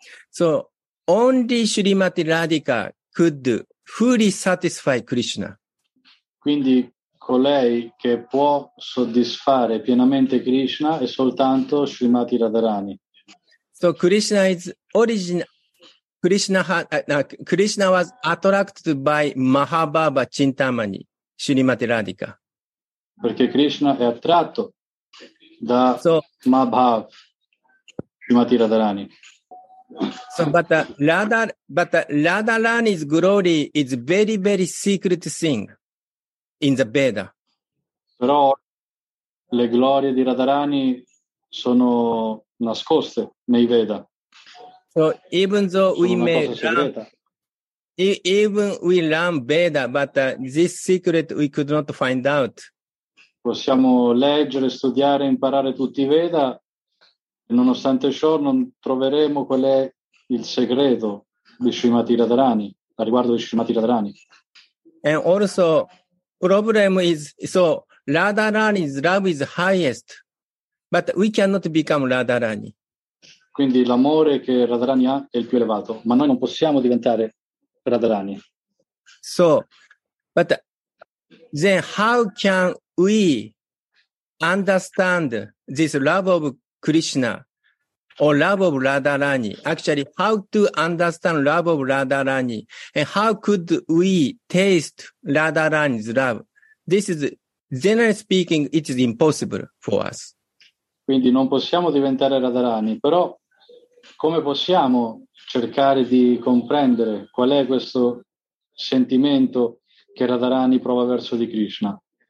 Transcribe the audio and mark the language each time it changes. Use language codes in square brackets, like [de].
[en] So only Srimati Radhika could fully satisfy Krishna. [it] Quindi colei che può soddisfare pienamente Krishna è soltanto Srimati Radharani. [en] So Krishna is origin. Krishna was attracted by Mahabhava Chintamani, Srimati Radhika. [it] Perché Krishna è attratto da Mahabhav, Srimati Radharani. [en] So, Radharani's glory is very, very secret thing in the Veda. [it] Però le glorie di Radharani sono nascoste nei Veda. [en] So even though we learn Veda, but this secret we could not find out. [it] Possiamo leggere, studiare, imparare tutti i Veda, nonostante ciò non troveremo qual è il segreto di Srimati Radharani, a riguardo di Srimati Radharani. [en] And also, problem is, so Radharani's love is highest, but we cannot become Radharani. [it] Quindi l'amore che Radharani ha è il più elevato, ma noi non possiamo diventare Radharani. [en] So, but then how can we understand this love of Krishna or love of Radharani? Actually, how to understand love of Radharani and how could we taste Radharani's love? This is, generally speaking, it is impossible for us. [it] Quindi non possiamo diventare Radharani, però come possiamo cercare di comprendere qual è questo sentimento che Radharani prova verso di Krishna?